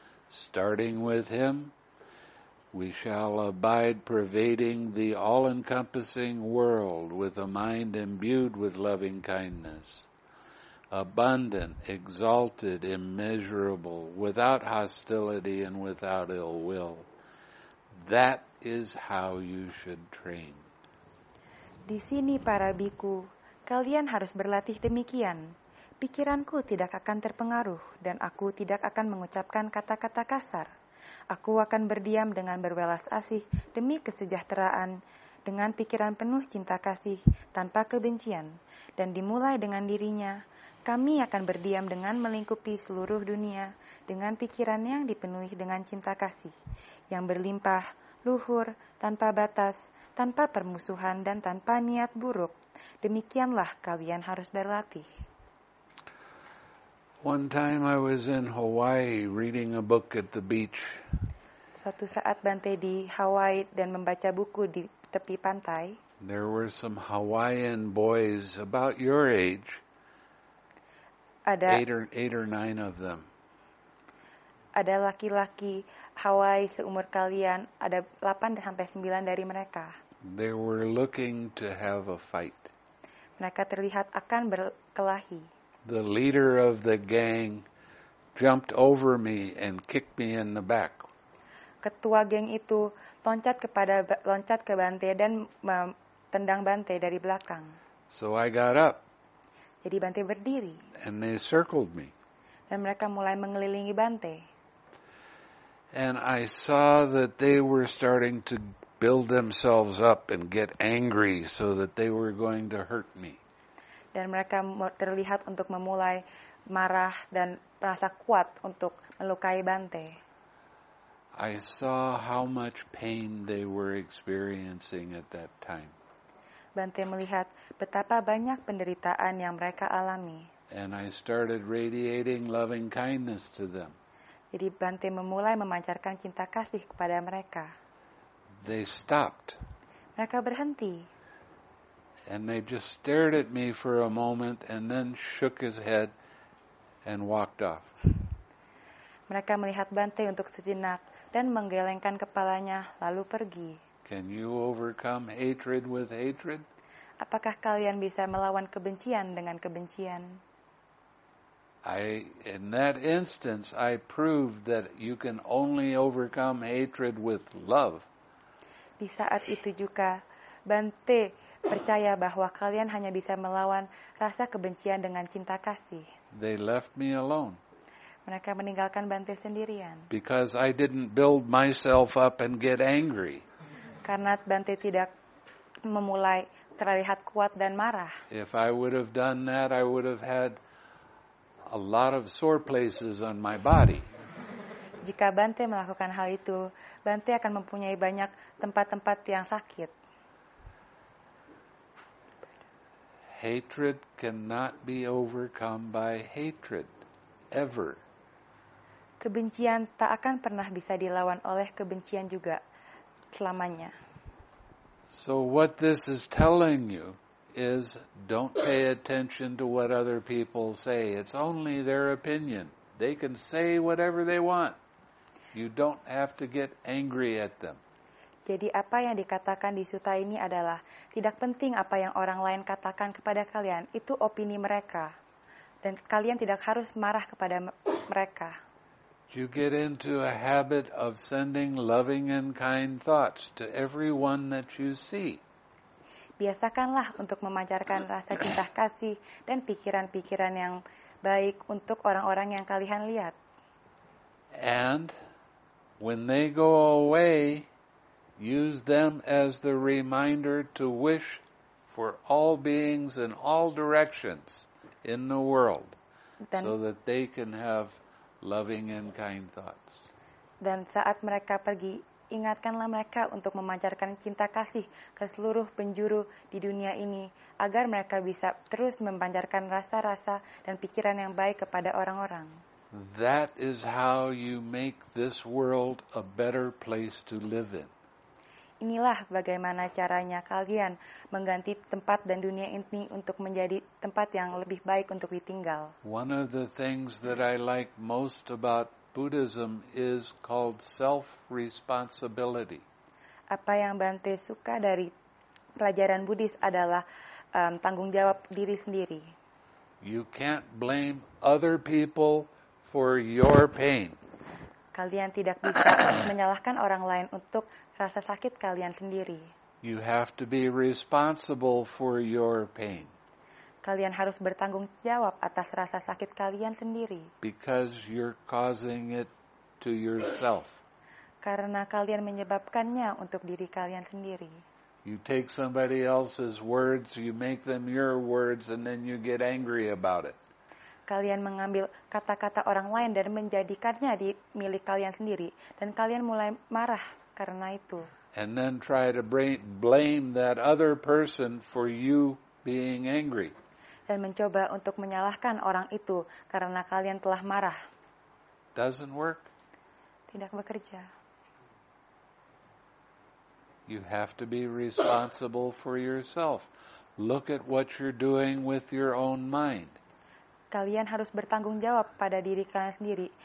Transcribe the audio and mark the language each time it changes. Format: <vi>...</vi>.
<en>Starting with him, we shall abide pervading the all-encompassing world with a mind imbued with loving kindness. Abundant, exalted, immeasurable, without hostility and without ill will. That is how you should train.</en> <id>Di sini, para biku, kalian harus berlatih demikian. Pikiranku tidak akan terpengaruh dan aku tidak akan mengucapkan kata-kata kasar. Aku akan berdiam dengan berwelas asih demi kesejahteraan, dengan pikiran penuh cinta kasih tanpa kebencian, dan dimulai dengan dirinya. Kami akan berdiam dengan melingkupi seluruh dunia dengan pikiran yang dipenuhi dengan cinta kasih, yang berlimpah, luhur, tanpa batas, tanpa permusuhan, dan tanpa niat buruk. Demikianlah kalian harus berlatih.</id> <en>One time I was in Hawaii reading a book at the beach.</en> <id>Suatu saat Bante di Hawaii dan membaca buku di tepi pantai.</id> <en>There were some Hawaiian boys about your age.</en> <id>Ada</id> <en>eight or nine of them.</en> <id>Ada laki-laki Hawaii seumur kalian, ada 8 sampai 9 dari mereka.</id> <en>They were looking to have a fight.</en> <id>Mereka terlihat akan berkelahi.</id> <en>The leader of the gang jumped over me and kicked me in the back.</en> <id>Ketua geng itu loncat ke Bante dan tendang Bante dari belakang.</id> <en>So I got up.</en> <id>Jadi Bante berdiri.</id> <en>And they circled me.</en> <id>Dan mereka mulai mengelilingi Bante.</id> <en>And I saw that they were starting to build themselves up and get angry so that they were going to hurt me.</en> <id>Dan mereka terlihat untuk memulai marah dan merasa kuat untuk melukai Bante.</id> <en>I saw how much pain they were experiencing at that time.</en> <id>Bante melihat betapa banyak penderitaan yang mereka alami.</id> <en>And I started radiating loving kindness to them.</en> <id>Jadi Bante memulai memancarkan cinta kasih kepada mereka.</id> <en>They stopped.</en> <id>Mereka berhenti.</id> <en>And they just stared at me for a moment and then shook his head and walked off.</en> <id>Mereka melihat Bante untuk sejenak dan menggelengkan kepalanya lalu pergi.</id> <en>Can you overcome hatred with hatred?</en> <id>Apakah kalian bisa melawan kebencian dengan kebencian?</id> <en>In that instance, I proved that you can only overcome hatred with love.</en> <id>Di saat itu juga, Bante percaya bahwa kalian hanya bisa melawan rasa kebencian dengan cinta kasih.</id> <en>They left me alone.</en> <id>Mereka meninggalkan Bante sendirian.</id> <en>Because I didn't build myself up and get angry.</en> <id>Karena Bante tidak memulai terlihat kuat dan marah.</id> <en>If I would have done that, I would have had a lot of sore places on my body.</en> <id>Jika Bante melakukan hal itu, Bante akan mempunyai banyak tempat-tempat yang sakit.</id> <en>Hatred cannot be overcome by hatred, ever.</en> <id>Kebencian tak akan pernah bisa dilawan oleh kebencian juga, selamanya.</id> <en>So what this is telling you is don't pay attention to what other people say. It's only their opinion. They can say whatever they want. You don't have to get angry at them.</en> <id>Jadi apa yang dikatakan di suta ini adalah tidak penting apa yang orang lain katakan kepada kalian. Itu opini mereka. Dan kalian tidak harus marah kepada mereka.</id> <en>You get into a habit of sending loving and kind thoughts to everyone that you see.</en> <id>Biasakanlah untuk memancarkan rasa cinta kasih dan pikiran-pikiran yang baik untuk orang-orang yang kalian lihat.</id> <en>And when they go away, use them as the reminder to wish for all beings in all directions in the world so that they can have loving and kind thoughts.</en> <id>Dan saat mereka pergi, ingatkanlah mereka untuk memancarkan cinta kasih ke seluruh penjuru di dunia ini agar mereka bisa terus memancarkan rasa-rasa dan pikiran yang baik kepada orang-orang.</id> <en>That is how you make this world a better place to live in.</en> <id>Inilah bagaimana caranya kalian mengganti tempat dan dunia ini untuk menjadi tempat yang lebih baik untuk ditinggal.</id> <en>One of the things that I like most about Buddhism is called self-responsibility.</en> <id>Apa yang Bante suka dari pelajaran Buddhis adalah tanggung jawab diri sendiri.</id> <en>You can't blame other people for your pain.</en> <id>Kalian tidak bisa menyalahkan orang lain untuk rasa sakit kalian sendiri.</id> <en>You have to be responsible for your pain.</en> <id>Kalian harus bertanggung jawab atas rasa sakit kalian sendiri.</id> <en>Because you're causing it to yourself.</en> <id>Karena kalian menyebabkannya untuk diri kalian sendiri.</id> <en>You take somebody else's words, you make them your words, and then you get angry about it.</en> <id>Kalian mengambil kata-kata orang lain dan menjadikannya di milik kalian sendiri. Dan kalian mulai marah karena itu.</id> <en>And then try to blame that other person for you being angry.</en> <id>Dan mencoba untuk menyalahkan orang itu karena kalian telah marah.</id> <en>Doesn't work.</en> <id>Tidak bekerja.</id> <en>You have to be responsible for yourself. Look at what you're doing with your own mind.</en> <id>Kalian harus bertanggung jawab pada diri kalian sendiri.</id>